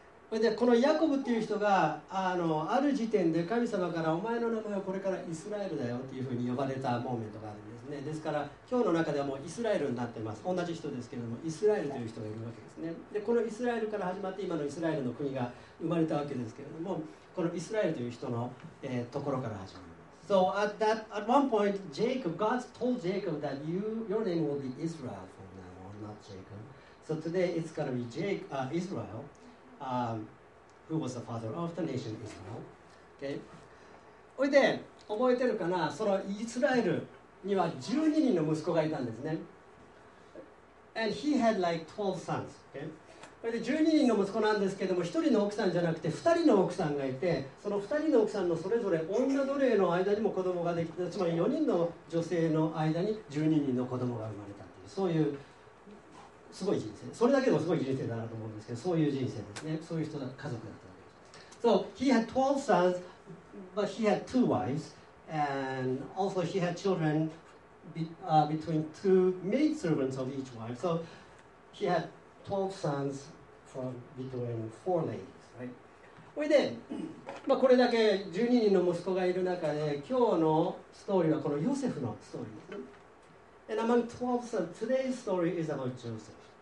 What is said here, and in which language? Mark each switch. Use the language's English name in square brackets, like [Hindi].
[Japanese] で、このヤコブっていう人が、ある時点で神様からお前の名前はこれからイスラエルだよっていうふうに呼ばれたモーメントがあるんですね。ですから、今日の中ではもうイスラエルになってます。同じ人ですけれども、イスラエルという人がいるわけですね。で、このイスラエルから始まって今のイスラエルの国が生まれたわけですけれども、このイスラエルという人の、ところから始まります。 [English] So at one point, Jacob, God told Jacob that your name will be Israel from now on, not Jacob. So today it's going to be Israel, who was the father of the nation Israel. Okay. [Japanese] おいで、覚えてるかな？そのイスラエルには12人の息子がいたんですね。 [English] And he had like 12 sons, okay? [Japanese] これで12人の息子なんですけども、1人の奥さんじゃなくて2人の奥さんがいて、その2人の奥さんのそれぞれ女奴隷の間にも子供ができて、つまり4人の女性の間に12人の子供が生まれたっていう、そういうすごい人生。それだけでもすごい人生だなと思うんですけど、そういう人生ですね。そういう人だ、家族だったわけです。 [English] So he had 12 sons, but he had two wives, and also he had children between two maid servants of each wife. So he had 12 sons from between four ladies, right? [Japanese] それで、まあこれだけ12人の息子がいる中で、今日のストーリーはこのヨセフのストーリーですね。 [English] And among 12 sons, today's story is about Joseph.